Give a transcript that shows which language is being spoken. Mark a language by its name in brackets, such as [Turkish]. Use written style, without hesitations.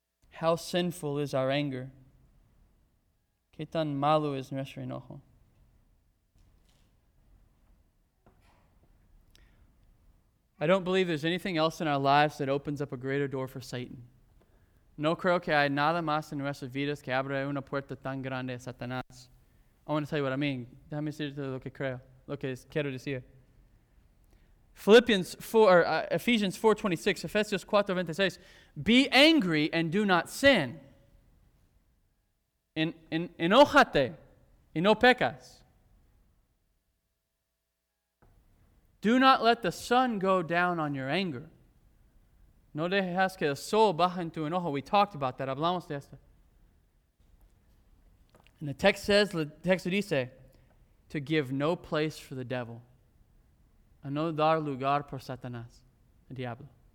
[English] How sinful is our anger? [Spanish] ¿Qué tan malo es nuestro enojo? [English] I don't believe there's anything else in our lives that opens up a greater door for Satan. [Spanish] No creo que hay nada más en nuestras vidas que abra una puerta tan grande a Satanás. [English] I want to tell you what I mean. [Spanish] Déjame decirte lo que creo, lo que quiero decir. [English] Ephesians 4:26, Ephesians 4:26, be angry and do not sin. [Spanish] Enójate y no pecas. [English] Do not let the sun go down on your anger. [Spanish] No dejes que el sol baje en tu enojo. [English] We talked about that. [Spanish] Hablamos de esto. [English] And the text says, the text [Spanish] dice, [English] to give no place for the devil. [Spanish] a no dar lugar por Satanás, el diablo.